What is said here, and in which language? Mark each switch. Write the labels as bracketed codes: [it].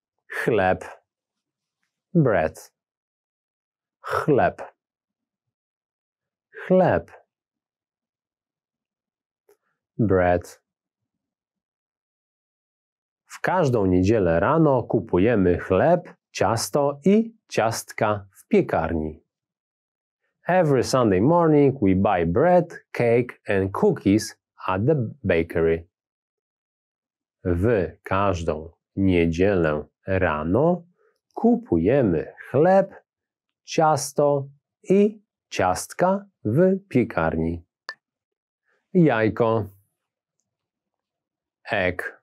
[pl] Chleb. Bread. Chleb. Chleb. [en] Bread. [pl] W każdą niedzielę rano kupujemy chleb, ciasto i ciastka w piekarni. [en] Every Sunday morning we buy bread, cake and cookies at the bakery. [pl] W każdą niedzielę rano kupujemy chleb, ciasto i ciastka w piekarni. Jajko. [en] Egg.